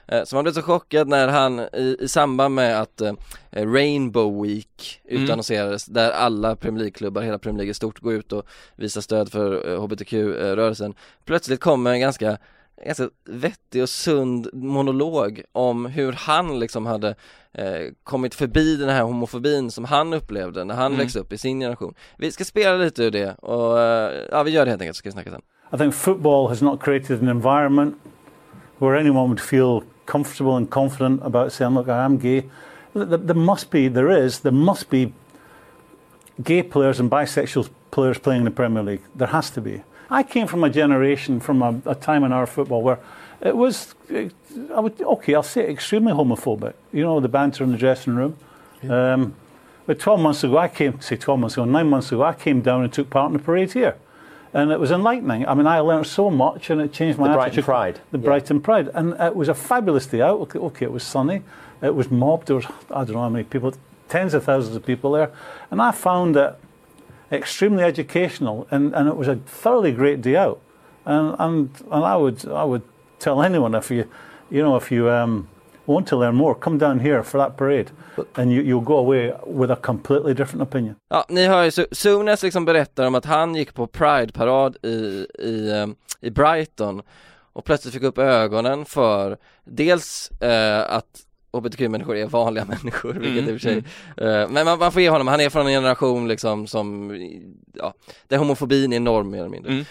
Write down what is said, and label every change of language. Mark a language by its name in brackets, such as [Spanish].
[Swedish] Så man blev så chockad när han i samband med att Rainbow Week utannonserades, där alla Premier League-klubbar, hela Premier League i stort, går ut och visar stöd för HBTQ-rörelsen. Plötsligt kommer en ganska vettig och sund monolog om hur han liksom hade kommit förbi den här homofobin som han upplevde när han växte upp i sin generation. Vi ska spela lite ur det och ja, vi gör det helt enkelt, så ska vi snacka sen. [English] I think football has not created an environment where anyone would feel comfortable and confident about saying look, I am gay. There must be gay players and bisexual players playing in the Premier League. There has to be. I came from a generation, from a time in our football where it was, I'll say it, extremely homophobic. You know, the banter in the dressing room. Yeah. But 9 months ago, I came down and took part in the parade here. And it was enlightening. I mean, I learned so much and it changed my attitude. The Brighton Pride. The Brighton Pride. And it was a fabulous day out. Okay, it was sunny. It was mobbed. There was, I don't know how many people, tens of thousands of people there. And I found that extremely educational, and it was a thoroughly great day out, and I would tell anyone if you want to learn more, come down here for that parade, and you'll go away with a completely different opinion. [Swedish] Ja, ni hör ju, Souness liksom berättar om att han gick på Pride-parad i Brighton och plötsligt fick upp ögonen för dels att HBTQ-människor är vanliga människor, vilket i och för sig. Men man får ge honom, han är från en generation liksom som, ja, där homofobin är norm mer eller mindre.